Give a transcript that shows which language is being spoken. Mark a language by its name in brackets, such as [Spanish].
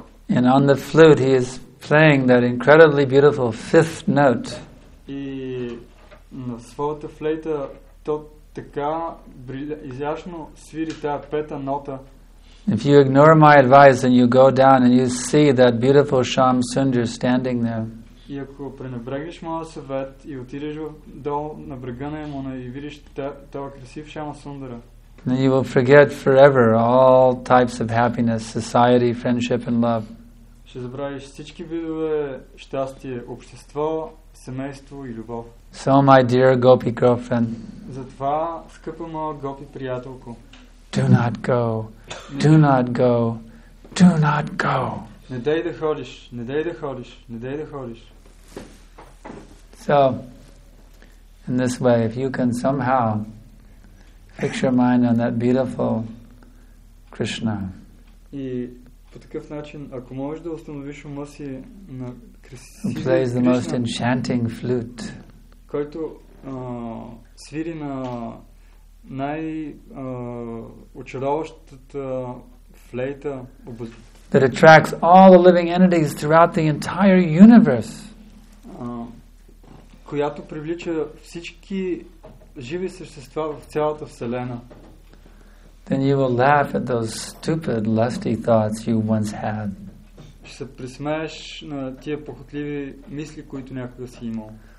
[English] And on the flute he is playing that incredibly beautiful fifth note. [Bulgarian] И на своята флейта то така изящно свири тая пета нота. [English] If you ignore my advice and you go down and you see that beautiful Shyam Sundar standing there. [Bulgarian] И ако пренебрегнеш моя съвет и отидеш долу на брега на Емона и видиш това красив Шама Сундара. [English] Then you will forget forever all types of happiness, society, friendship and love. [Bulgarian] Ще забравиш всички видове щастие, общество, семейство и любов. [English] So my dear gopi girlfriend. [Bulgarian] Затова, скъпа моя гопи приятелко. [English] Do not go. Do not go. Do not go. [Bulgarian] Не дей да ходиш, не дей да ходиш, не дей да ходиш. [English] So, in this way, if you can somehow fix your mind on that beautiful Krishna. [Bulgarian] И по такъв начин, ако можеш да установиш ума си на Кришна, [English] plays the most enchanting flute, [Bulgarian] който свири на най очаровващата флейта, [English] that attracts all the living entities throughout the entire universe, [Bulgarian] която привлича всички живи същества в цялата вселена. [English] Then you will laugh at those stupid, lusty thoughts you once had. [Bulgarian] Ще се присмееш на тия похотливи мисли, които някога си имал.